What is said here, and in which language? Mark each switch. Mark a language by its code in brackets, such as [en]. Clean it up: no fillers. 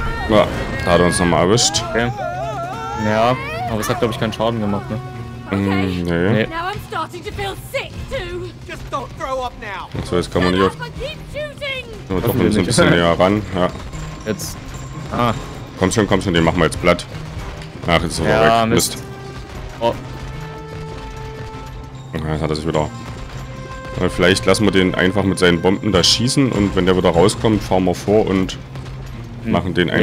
[de] Ja, da hat er uns nochmal erwischt. Okay. Ja, aber es hat, glaube ich, keinen Schaden gemacht, ne? Okay. Nee. [en] Now I'm starting to feel sick too. Just don't throw up now. [de] Und so, jetzt kann man hier. Wir doch ein bisschen näher ran, ja. Jetzt. Ah. Komm schon, den machen wir jetzt platt. Ach, jetzt ist er ja, weg. Mist. Mist. Oh. Jetzt hat er sich wieder. Vielleicht lassen wir den einfach mit seinen Bomben da schießen und wenn der wieder rauskommt, fahren wir vor und machen den einfach